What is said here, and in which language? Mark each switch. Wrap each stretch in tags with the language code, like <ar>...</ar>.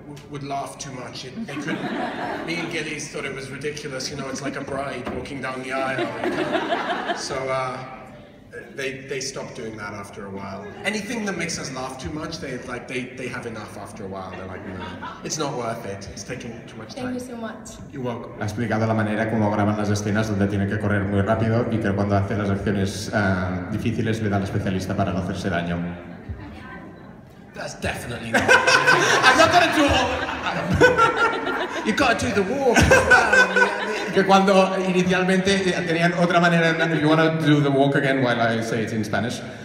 <en>would laugh too much. It couldn't. Me and Gillies thought it was ridiculous. You know, it's like a bride walking down the aisle. So they stopped doing that after a while. Anything that makes us laugh too much, they have enough after a while. They're like, no, it's not worth it. It's taking too much time. Thank you so much. You're welcome.</en> <es>Explicando la manera como graban las escenas donde tiene que correr muy rápido y que cuando hace las acciones difíciles le da al especialista para no hacerse daño.</es> <en>That's definitely not. I'm not gonna do all. You gotta do the walk.</en> <es>Que cuando inicialmente tenían otra manera.</es> <en>If you wanna do the walk again while I say it in Spanish.</en>